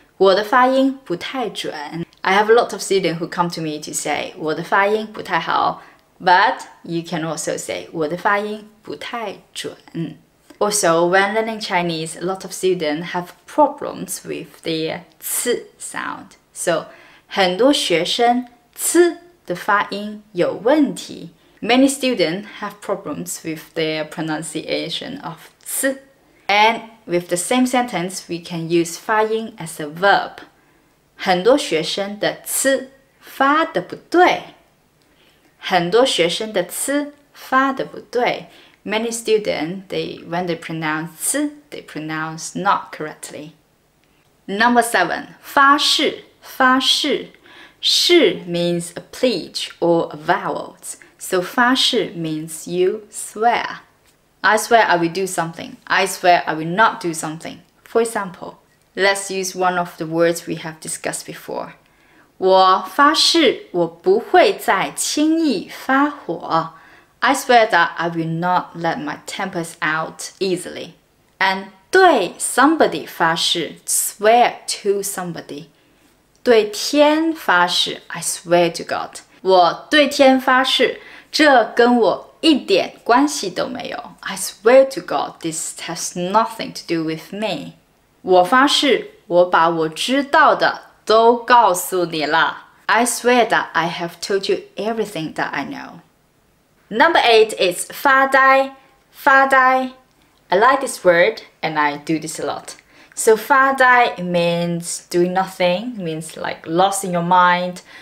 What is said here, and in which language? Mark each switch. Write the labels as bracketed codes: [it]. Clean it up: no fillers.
[zh] 我的发音不太准。 [en] I have a lot of students who come to me to say [zh] 我的发音不太好, [en] but you can also say [zh] 我的发音不太准。 [en] Also, when learning Chinese, a lot of students have problems with their 次 sound. So, [zh] 很多学生次的发音有问题。 [en] Many students have problems with their pronunciation of 次 and with the same sentence, we can use 发音 as a verb. [zh] 很多学生的次发得不对。很多学生的次发得不对。 [en] Many students, when they pronounce 次, they pronounce not correctly. Number 7, [zh] 发誓发誓。 [en] 誓 means a pledge or a vowel. So 发誓 means you swear. I swear I will do something. I swear I will not do something. For example, let's use one of the words we have discussed before. [zh] 我发誓我不会再轻易发火。 [en] I swear that I will not let my tempers out easily. And 对 somebody 发誓 swear to somebody. 对天发誓 I swear to God. [zh] 我对天发誓，这跟我一点关系都没有。 [en] I swear to God, this has nothing to do with me. [zh] 我发誓，我把我知道的都告诉你了。 [en] I swear that I have told you everything that I know. Number 8 is 发呆，发呆。 I like this word and I do this a lot. So 发呆 means doing nothing, means like lost in your mind.